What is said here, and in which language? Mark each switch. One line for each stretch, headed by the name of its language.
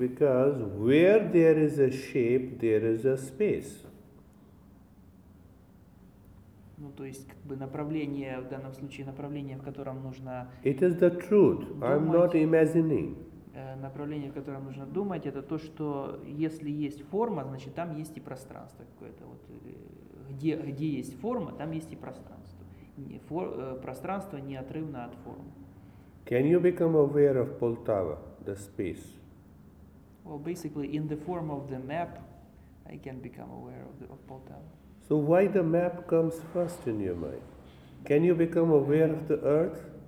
English: Because where there is a shape, there is a space.
Russian: Ну, то есть, как бы направление, в данном случае, направление, в котором нужно...
English: It is the truth. I'm not imagining.
Russian: Направление, в котором нужно думать, это то, что если есть форма, значит, там есть и пространство какое-то. Вот, где есть форма, там есть и пространство. Пространство неотрывно от формы.
English: Can you become aware of Poltava, the space? Well, basically, in the form of the map, I can become aware of Poltava. So why the map comes first in your mind? Can you become aware of the earth?